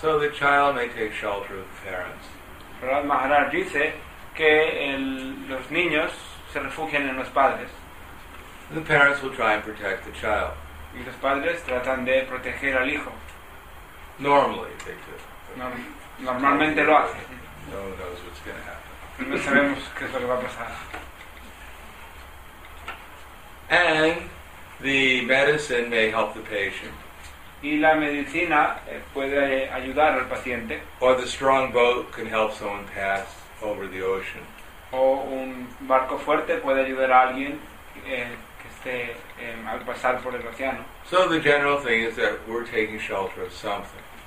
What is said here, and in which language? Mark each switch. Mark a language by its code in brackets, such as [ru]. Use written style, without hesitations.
[en] So the child may take shelter of the parents. [es] Prahlad Maharaj dice que los niños se refugian en los padres. [en] The parents will try and protect the child. [es] Y los padres tratan de proteger al hijo. [en] Normally they do. [es] Normalmente lo hacen. [en] No one knows what's going to happen. [es] No sabemos qué es lo que va a pasar. [en] And the medicine may help the patient. [es] Y la medicina puede ayudar al paciente. [en] Or the strong boat can help someone pass over the ocean. [es] O un barco fuerte puede ayudar a alguien que esté al pasar por el océano. [en] So the general thing is that we're taking shelter of something.